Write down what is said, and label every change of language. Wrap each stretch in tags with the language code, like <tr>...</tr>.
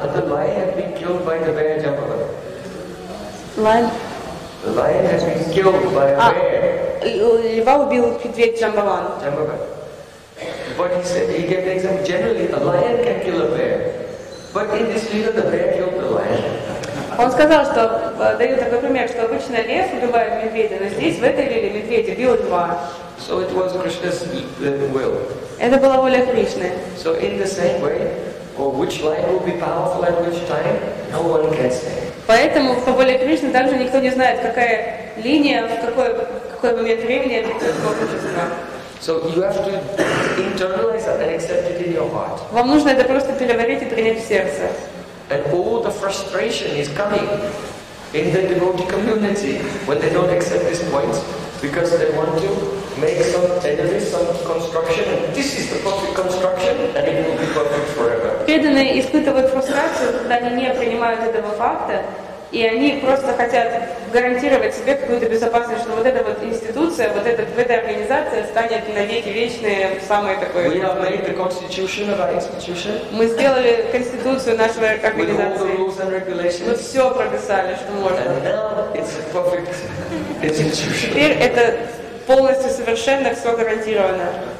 <en>And the lion had been killed by the bear jumper. Lion. The lion has been killed by a bear.</en> <ru>Льва убил медведь Джамбаван.</ru> <en>But he said he gave the example. Generally, a lion can kill a bear, but in this case, the bear killed the lion.</en> <ru>Он сказал, что дает такой пример, что обычно лев убивает медведя, но здесь, в этой лиле, медведя бил льва.</ru> <en>So it was Krishna's will.</en> <ru>Это была воля Кришны.</ru> <en>So in the same way, or which line will be powerful at which time, no one can say.</en> <ru>Поэтому по воле Кришны также никто не знает, какая линия, в какой момент времени это получится.</ru> <en>So you have to internalize that and accept it in your heart.</en> <ru>Вам нужно это просто переварить и принять в сердце.</ru> <en>And all the frustration is coming in the devotee community when they don't accept this point because they want to make some enemies, some construction. This is the perfect construction and it will be perfect forever.</en> <ru>Преданные испытывают фрустрацию, когда они не принимают этого факта, и они просто хотят гарантировать себе какую-то безопасность, что вот эта вот институция, вот эта вот организация станет навеки вечной самой такой.</ru> <en>We have made the constitution of our institution.</en> <ru>Мы сделали конституцию нашего организации.</ru> <en>With all the rules and regulations.</en> <ru>Мы все прописали, что можно.</ru> <en>And now it's a perfect institution.</en> <ru>Теперь это полностью совершенно все гарантировано.</ru>